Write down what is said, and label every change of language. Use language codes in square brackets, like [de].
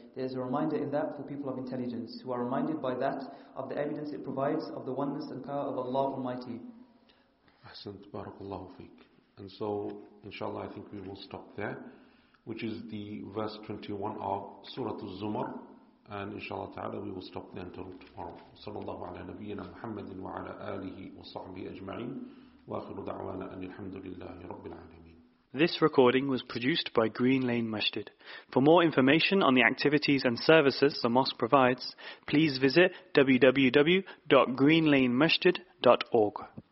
[en] There is a reminder in that for people of intelligence, who are reminded by that of the evidence it provides of the oneness and power of Allah Almighty. [ar] أحسنت بارك الله فيك. [en] And so, inshallah, I think we will stop there, which is the verse 21 of Surah Az-Zumar. And inshallah ta'ala, we will stop there until tomorrow. [ar] صلى الله على نبينا محمد وعلى آله وصحبه أجمعين. وآخر دعوانا أن الحمد لله رب العالمين. [en] This recording was produced by Green Lane Masjid. For more information on the activities and services the mosque provides, please visit www.greenlanemasjid.org.